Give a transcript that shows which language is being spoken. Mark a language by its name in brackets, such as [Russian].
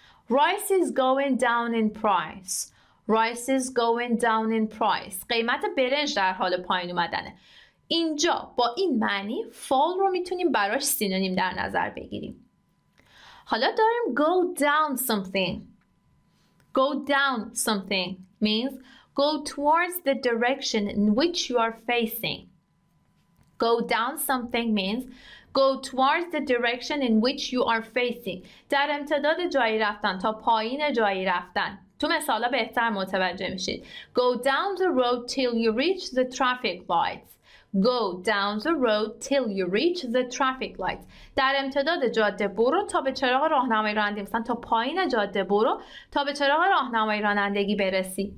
[English] Rice is going down in price. Rice is going down in price. [Persian] قیمت برنج در حال پایین اومدنه. اینجا با این معنی fall رو میتونیم براش سینونیم در نظر بگیریم. حالا داریم go down something. [English] Go down something means go towards the direction in which you are facing. Go down something means go towards the direction in which you are facing. [Persian] در امتداد جایی رفتن، تا پایین جایی رفتن. تو مثالا بهتر متوجه میشید. [English] Go down the road till you reach the traffic lights. Go down the road till you reach the traffic lights. [Persian] در امتداد جاده برو تا به چراغ راهنمایی رانندگی، مثلا تا پایین جاده برو تا به چراغ راهنمایی رانندگی برسی.